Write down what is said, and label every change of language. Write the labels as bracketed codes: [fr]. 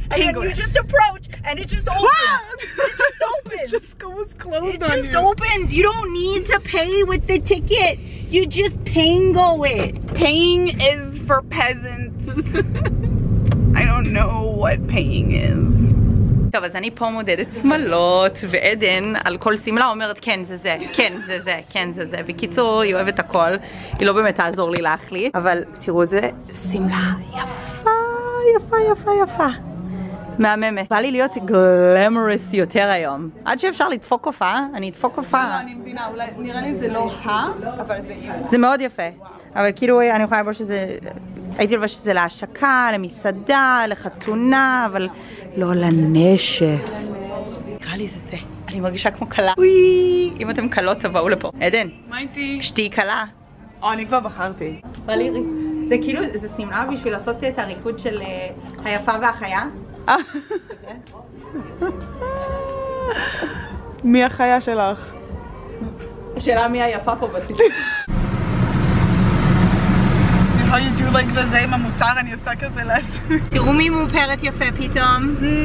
[en] And then you just approach and it just opens. It just opens. You don't need to pay with the ticket. You just pango it. Paying is for peasants. I don't know what paying is. [he] טוב, אז אני פה מודדת שמלות, ועדן על כל סמלה אומרת כן זה זה, כן זה זה, כן זה זה. בקיצור, היא אוהבת הכל, היא לא באמת תעזור לי להחליט. אבל תראו איזה שמלה יפה, יפה, יפה, יפה. מהממת. בא לי להיות גלמרס יותר היום. עד שאפשר לדפוק הופעה, אני אדפוק הופעה. לא, אני מבינה, אולי נראה לי זה לא ה, אבל זה יפה. זה מאוד יפה. אבל כאילו, אני יכולה לבוא שזה... הייתי לבוא שזה להשקה, למסעדה, לחתונה, אבל לא לנשף. נראה לי זה זה. אני מרגישה כמו קלה. וואי! אם אתם קלות, תבואו לפה. עדן. מה איתי? שתהי קלה. אני כבר בחרתי. ולירי. זה כאילו, זה שמלה בשביל לעשות את הריקוד של היפה והחיה. מי החיה שלך? השאלה מי היפה פה בסיטי. [en] How you do like the same [he] המוצר, אני עושה כזה לעצמי. תראו מי מאופרת יפה פתאום.